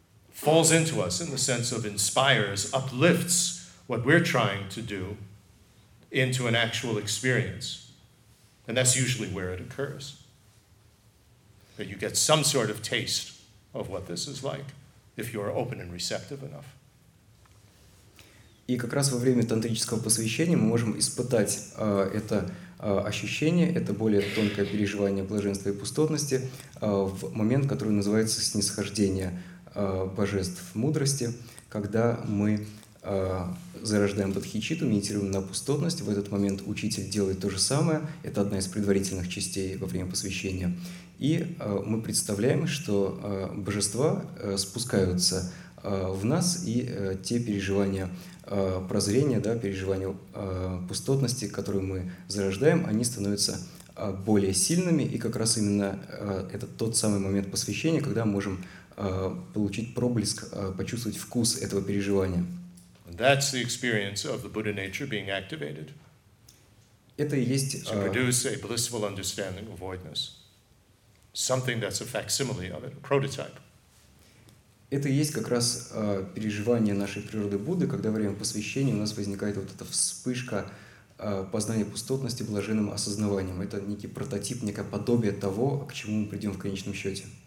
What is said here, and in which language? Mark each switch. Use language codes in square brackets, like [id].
[en] falls into us in the sense of inspires, uplifts what we're trying to do into an actual experience. And that's usually where it occurs. That you get some sort of taste of what this is like if you're open and receptive enough. [ru] И как раз во время тантрического посвящения мы можем испытать это ощущение, это более тонкое переживание блаженства и пустотности в момент, который называется снисхождение божеств мудрости, когда мы зарождаем бодхичитту, медитируем на пустотность. В этот момент учитель делает то же самое, это одна из предварительных частей во время посвящения. И мы представляем, что божества спускаются в нас, и те переживания прозрения, да, переживания пустотности, которые мы зарождаем, они становятся более сильными, и как раз именно это тот самый момент посвящения, когда мы можем получить проблеск, почувствовать вкус этого переживания. [en] That's the experience of the Buddha nature being activated. [ru] Это и есть, [en] to produce a blissful understanding of voidness. Something that's a facsimile of it, a prototype. [ru] Это и есть как раз переживание нашей природы Будды, когда во время посвящения у нас возникает вот эта вспышка познания пустотности блаженным осознаванием. Это некий прототип, некое подобие того, к чему мы придем в конечном счете.